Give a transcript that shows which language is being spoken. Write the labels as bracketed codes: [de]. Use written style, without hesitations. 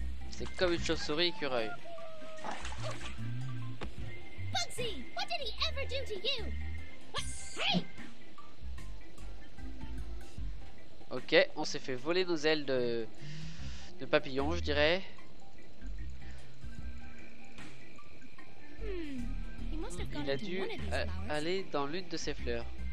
[fr] C'est comme une chauve-souris, écureuil. [en] Bugsy, what did he ever do to you? [fr] Ok, on s'est fait voler nos ailes de... papillon, je dirais. Il a dû aller dans l'une de ces fleurs.